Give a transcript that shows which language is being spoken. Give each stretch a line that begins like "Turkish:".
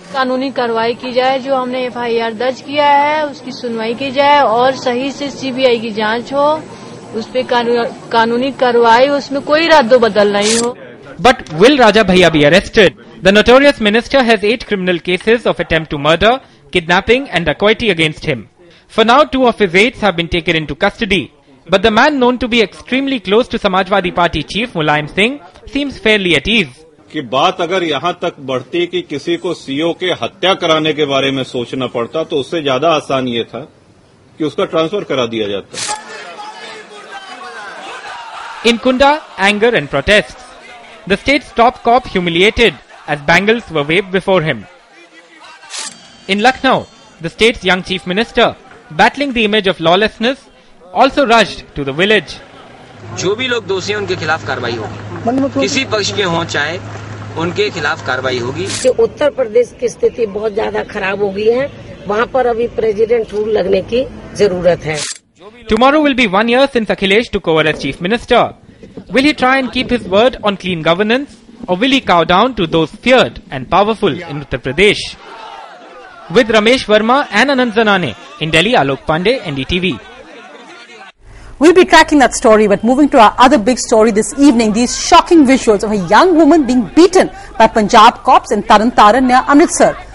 Hindi: कानूनी कार्रवाई की जाए, जो हमने FIR दर्ज किया है उसकी सुनवाई की जाए और सही से CBI की जांच हो, उस पे कानूनी कार्रवाई, उसमें कोई रद्दबदल नहीं हो.
English: But will Raja Bhaiya be arrested? The notorious minister has 8 criminal cases of attempt to murder, kidnapping and dacoity against him. For now, 2 of his aides have been taken into custody. But the man known to be extremely close to Samajwadi Party chief Mulayam Singh seems fairly at ease.
Hindi: कि बात अगर यहाँ तक बढ़ती कि किसी को CO के हत्या कराने के बारे में सोचना पड़ता, तो उससे ज़्यादा आसान ये था कि उसका ट्रांसफर करा दिया जाता.
English: In Kunda, anger and protests. The state's top cop humiliated as bangles were waved before him. In Lucknow, the state's young chief minister, battling the image of lawlessness, also rushed to the village.
Hindi: जो भी लोग दोषी हैं उनके खिलाफ कार्रवाई होगी, किसी पक्ष के हों चाहे उनके खिलाफ कार्रवाई होगी. उत्तर प्रदेश की स्थिति बहुत ज्यादा खराब हो गई है, वहाँ पर अभी प्रेसिडेंट रूल लगने की जरूरत है.
English: Tomorrow will be 1 year since Akhilesh took over as chief minister. Will he try and keep his word on clean governance, or will he cow down to those feared and powerful in Uttar Pradesh? With Ramesh Verma and Anand Zanane, in Delhi, Alok Pandey, NDTV. We'll be tracking that story, but moving to our other big story this evening, these shocking visuals of a young woman being beaten by Punjab cops in Tarantaran near Amritsar.